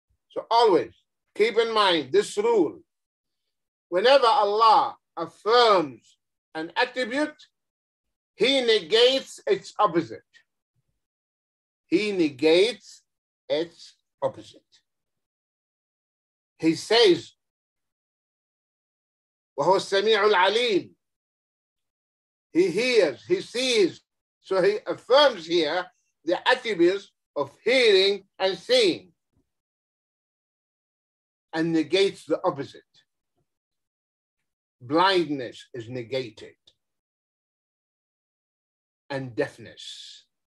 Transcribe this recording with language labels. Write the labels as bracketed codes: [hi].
[en] So always keep in mind this rule. Whenever Allah affirms an attribute, He negates its opposite. He negates its opposite. He says, [ar] وَهُوَ السَّمِيعُ الْعَلِيمُ. [en] He hears, He sees. So He affirms here the attributes of hearing and seeing, and negates the opposite. Blindness is negated, and deafness.